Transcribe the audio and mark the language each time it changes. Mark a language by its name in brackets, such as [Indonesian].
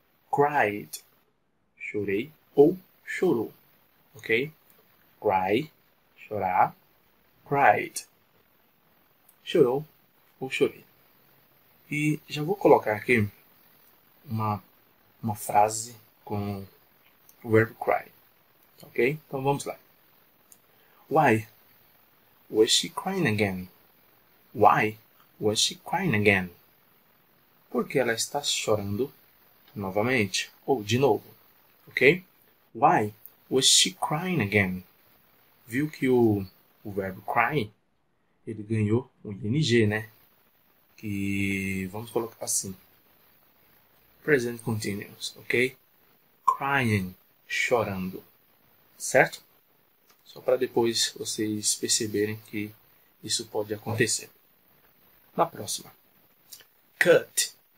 [Portuguese] Cried, chorei ou chorou, ok? Cry, chorar. Cried. Chorou ou chorei. E já vou colocar aqui uma frase com o verbo cry. Ok? Então vamos lá. [English] Why was she crying again? Why was she crying again? [Portuguese] Por que ela está chorando novamente? Ou de novo. Ok? [English] Why was she crying again? [Portuguese] Viu que o verbo cry, ele ganhou um ing, né? Que vamos colocar assim. Present continuous, ok? Crying, chorando. Certo? Só para depois vocês perceberem que isso pode acontecer. Na próxima. Cut.